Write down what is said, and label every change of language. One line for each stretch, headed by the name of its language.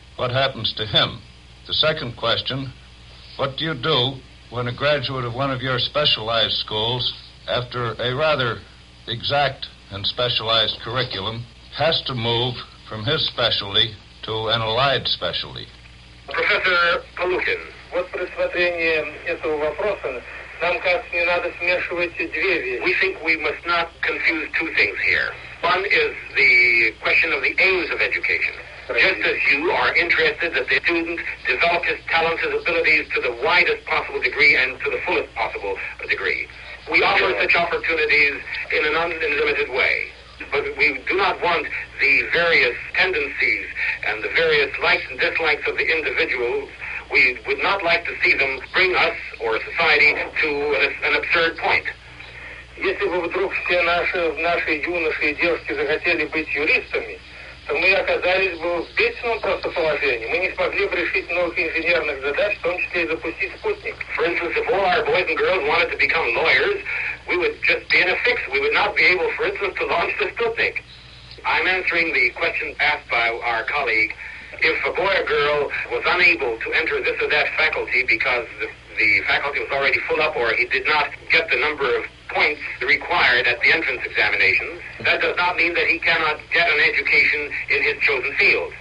English: What happens to him? The second question, what do you do when a graduate of one of your specialized schools, after a rather exact and specialized curriculum, has to move from his specialty to an allied specialty? Professor Palukin.
Russian: Вот при рассмотрении этого вопроса нам кажется, не надо смешивать две вещи.
English: We think we must not confuse two things here. One is the question of the aims of education. Just as you are interested that the student develop his talents, his abilities to the widest possible degree and to the fullest possible degree. We offer such opportunities in an unlimited way. But we do not want the various tendencies and the various likes and dislikes of the individuals. We would not like to see them bring us or society to an absurd point.
Russian: Если бы вдруг все наши юноши и девушки захотели быть юристами, то мы оказались бы в бедственном просто положении. Мы не смогли бы решить многих инженерных задач, в том числе и запустить спутник.
English: For instance, if all our boys and girls wanted to become lawyers, we would just be in a fix. We would not be able, for instance, to launch the Sputnik. I'm answering the question asked by our colleague. If a boy or girl was unable to enter this or that faculty because the faculty was already full up or he did not get the number of points required at the entrance examinations, that does not mean that he cannot get an education in his chosen field.